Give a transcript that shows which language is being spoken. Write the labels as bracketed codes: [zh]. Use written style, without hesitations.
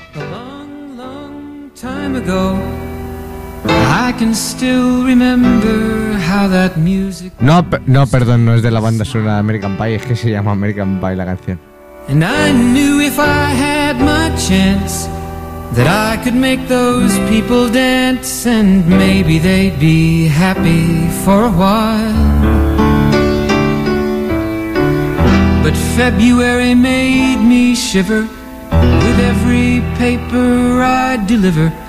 [en] Long, long time ago, I can still remember how that music. [es] No, perdón, no es de la banda sonora de American Pie, es que se llama American Pie la canción. [en] And I knew if I had my chance. That I could make those people dance and maybe they'd be happy for a while. But February made me shiver with every paper I'd deliver.